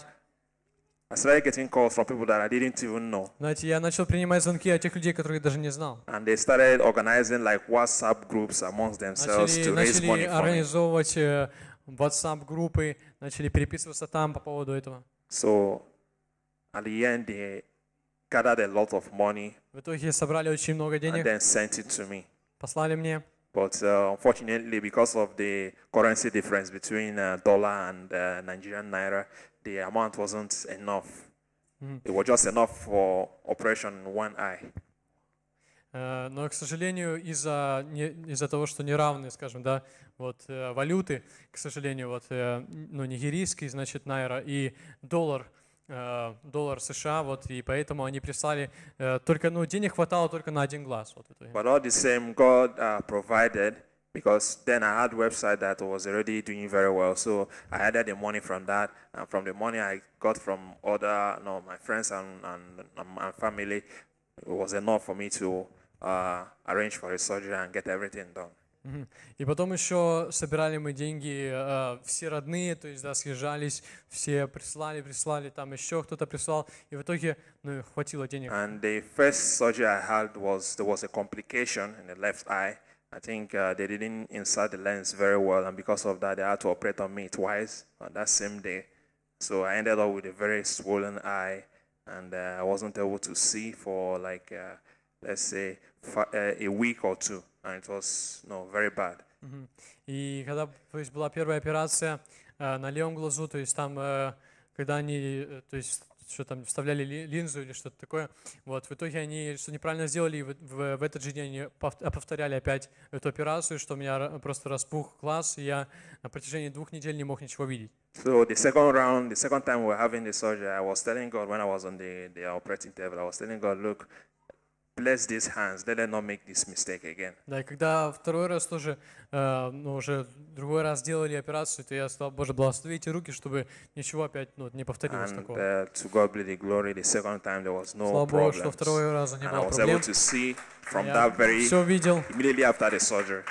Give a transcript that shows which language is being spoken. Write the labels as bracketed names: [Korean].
[English] Know. I started getting calls from people that I didn't even know. [Russian] Знаете, я начал принимать звонки от тех людей, которых я даже не знал. [English] And they started organizing like WhatsApp groups amongst themselves [Russian] начали [English] to raise money for me. [Russian] Начали организовывать WhatsApp группы, начали переписываться там по поводу этого. [English] So, at the end, they gathered a lot of money. [Russian] В итоге собрали очень много денег. [English] And then sent it to me. [Russian] Послали мне. [English] But unfortunately, because of the currency difference between dollar and Nigerian naira, the amount wasn't enough. It was just enough for operation in one eye. [Russian] Но, к сожалению, из-за того, что неравные, скажем, да, вот валюты, к сожалению, вот, ну, нигерийский, значит, найра и доллар США, вот, и поэтому они прислали только, ну, денег хватало только на один глаз. Вот, [English] but all the same, God provided, because then I had a website that was already doing very well, so I added the money from that, and from the money I got from other, you know, my friends and family, it was enough for me to arrange for his surgery and get everything done. Mm-hmm. [Russian] И потом еще собирали мы деньги, все родные, то есть, да, съезжались, все прислали, там еще кто-то прислал, и в итоге, ну, хватило денег. [English] And the first surgery I had was, there was a complication in the left eye. I think they didn't insert the lens very well, and because of that, they had to operate on me twice on that same day. So I ended up with a very swollen eye, and I wasn't able to see for, like, let's say, a week or two, and it was, no, very bad. Mm-hmm. [Russian] И когда, то есть, была первая операция на левом глазу, то есть там, когда они, то есть, что там, вставляли линзу или что-то такое, вот, в итоге они что-то неправильно сделали, и в этот же день они повторяли опять эту операцию, что у меня просто распух глаз, и я на протяжении двух недель не мог ничего видеть. [English] So the second round, the second time we were having the surgery, I was telling God, when I was on the operating table, I was telling God, look, bless these hands. Let them not make this mistake again. [Russian] Да, когда второй раз тоже, ну, уже другой раз делали операцию, то я сказал, Боже, благословите руки, чтобы ничего опять, ну, не повторилось [English] and, [Russian] такого. [English] And to God be the glory. The second time there was no [Russian] Слава [English] problems. [Russian] Богу, что второй раз не [English] and [Russian] было [English] I was [Russian] проблем. [English] Able to see from that very immediately after the surgery.